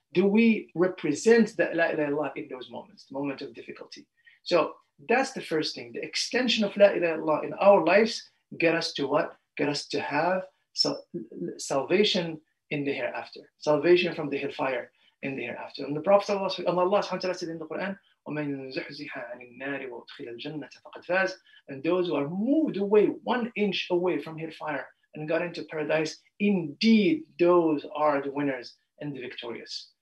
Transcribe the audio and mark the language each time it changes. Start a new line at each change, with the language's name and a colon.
English: Do we represent the La ilaha illallah in those moments, the moment of difficulty? So that's the first thing. The extension of La ilaha illallah in our lives get us to what? Get us to have salvation in the hereafter, salvation from the hellfire in the hereafter. And the Prophet said in the Quran,
Arabic: وَمَنْ زُحْزِحَ عَنِ النَّارِ وَأُدْخِلَ الْجَنَّةَ فَقَدْ فَازَ.
English: And those who are moved away, one inch away from hellfire and got into paradise, indeed those are the winners and the victorious.